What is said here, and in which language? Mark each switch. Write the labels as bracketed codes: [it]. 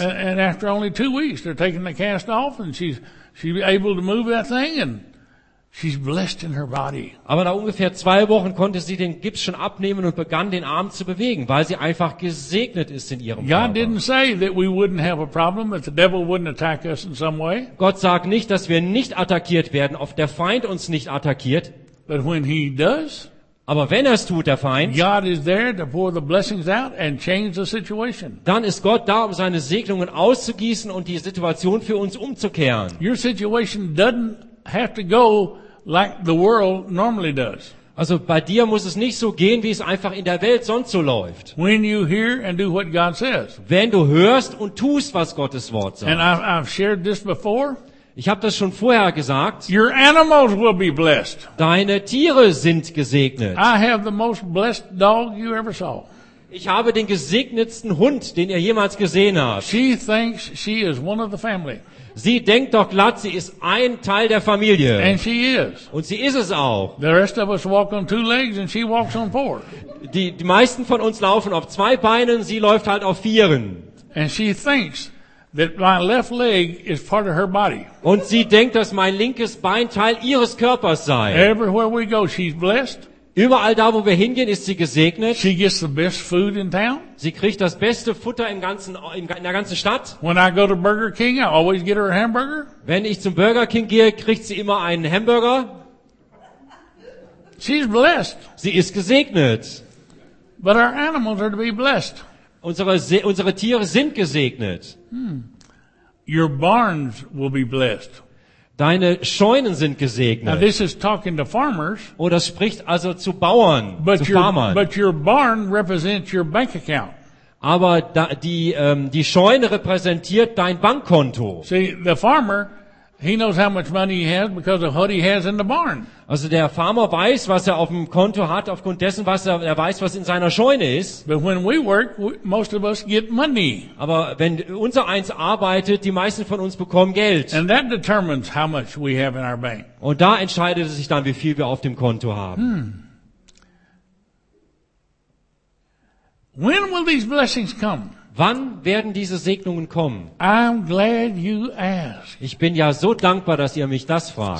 [en] And after only 2 weeks, they're taking the cast off and she's able to move that thing and she's blessed in her body. [de] Aber nach ungefähr 2 Wochen konnte sie den Gips schon abnehmen und begann den Arm zu bewegen, weil sie einfach gesegnet ist in ihrem Körper. [en] God didn't say that we wouldn't have a problem, that the devil wouldn't attack us in some way. [de] Gott sagt nicht, dass wir nicht attackiert werden, ob der Feind uns nicht attackiert. [en] But when he does, [de] aber wenn er es tut, der Feind, [en] God is there to pour the blessings out and change the situation. [de] Dann ist Gott da, um seine Segnungen auszugießen und die Situation für uns umzukehren. [en] Your situation doesn't have to go like the world normally does. [de] Also bei dir muss es nicht so gehen, wie es einfach in der Welt sonst so läuft. [en] When you hear and do what God says. [de] Wenn du hörst und tust, was Gottes Wort sagt. [en] And I've shared this before. [de] Ich habe das schon vorher gesagt. [en] Your animals will be blessed. [de] Deine Tiere sind gesegnet. [en] I have the most blessed dog you ever saw. [de] Ich habe den gesegnetsten Hund, den ihr jemals gesehen habt. [en] She thinks she is one of the family. [de] Sie denkt doch glatt, sie ist ein Teil der Familie. [en] And she is. [de] Und sie ist es auch. [en] The rest of us walk on 2 legs and she walks on 4. [de] Die meisten von uns laufen auf 2 Beinen, sie läuft halt auf 4. [en] And she thinks that my left leg is part of her body. [de] Und sie denkt, dass mein linkes Bein Teil ihres Körpers sei. [en] Everywhere we go, she's blessed. [de] Überall da, wo wir hingehen, ist sie gesegnet. [en] She gets the best food in town. [de] Sie kriegt das beste Futter in der ganzen Stadt. [en] When I go to Burger King, I always get her a hamburger. [de] Wenn ich zum Burger King gehe, kriegt sie immer einen Hamburger. [en] She's blessed. [de] Sie ist gesegnet. [en] But our animals are to be blessed. [de] Unsere Tiere sind gesegnet. [en] Your barns will be blessed. [de] Deine Scheunen sind gesegnet. [en] Now this is talking to farmers. [de] Oder spricht also zu Bauern, [en] but [de] zu Farmern. [en] But your barn represents your bank account. [de] Aber die Scheune repräsentiert dein Bankkonto. [en] See, the farmer, he knows how much money he has because of what he has in the barn. [de] Also der Farmer weiß, was er auf dem Konto hat, aufgrund dessen, er weiß, was in seiner Scheune ist. [en] But when we work, most of us get money. [de] Aber wenn unser eins arbeitet, die meisten von uns bekommen Geld. [en] And that determines how much we have in our bank. [de] Und da entscheidet es sich dann, wie viel wir auf dem Konto haben. [en] When will these blessings come? [de] Wann werden diese Segnungen kommen? [en] I'm glad you ask. [de] Ich bin ja so dankbar, dass ihr mich das fragt.